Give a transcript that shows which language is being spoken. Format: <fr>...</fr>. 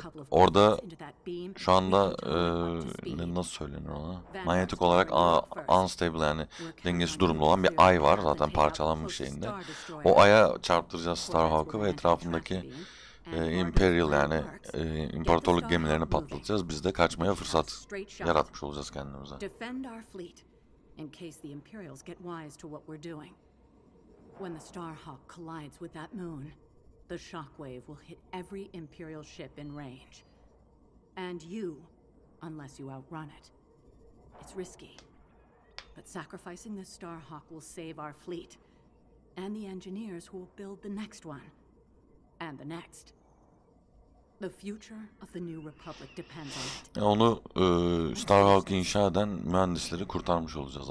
<tr>Orada şu anda nasıl söylenir ona? Manyetik olarak unstable yani dengesi durumda olan bir ay var zaten parçalanmış şeyinde. O aya çarptıracağız Starhawk'ı ve etrafındaki Imperial yani imparatorluk gemilerini patlatacağız. Biz de kaçmaya fırsat yaratmış olacağız kendimize.</tr> <en>Defend our fleet in case the Imperials get wise to what we're doing. When the Starhawk collides with that moon, the shockwave will hit every Imperial ship in range. And you, unless you outrun it. It's risky. But sacrificing this Starhawk will save our fleet. And the engineers who will build the next one. And the next. The future of the New Republic depends on it.</en> <tr>Yani onu Starhawk inşa eden mühendisleri kurtarmış olacağız.</tr>